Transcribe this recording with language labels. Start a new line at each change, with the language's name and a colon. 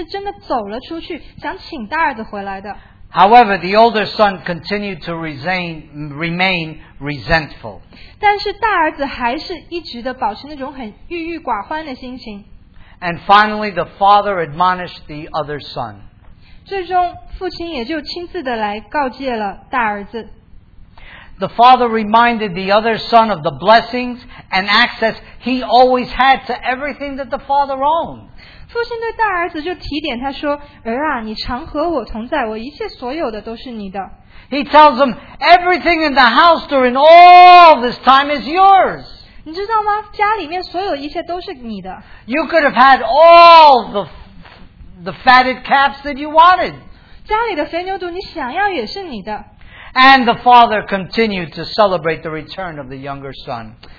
Chinese: 父亲走出去跟大儿子说,你看,弟弟来了,回来跟我们一起宴乐吧,他原来不在,他现在回到我们当中了。所以你看到父亲是真的走了出去,想请大儿子回来的。
English: However, the older son continued to remain resentful.
Chinese: 但是大儿子还是一直的保持那种很郁郁寡欢的心情。
English: And finally, the father admonished the other son.
Chinese: 最终,父亲也就亲自的来告诫了大儿子。
English: The father reminded the other son of the blessings and access he always had to everything that the father owned.
Chinese: 父亲对大儿子就提点他说,儿啊,你常和我同在,我一切所有的都是你的。
English: He tells him, everything in the house during all this time is yours.
Chinese: 你知道吗?家里面所有一切都是你的。
English: You could have had all the fatted calves that you wanted.
Chinese: 家里的肥牛肚你想要也是你的。
English: And the father continued to celebrate the return of the younger son.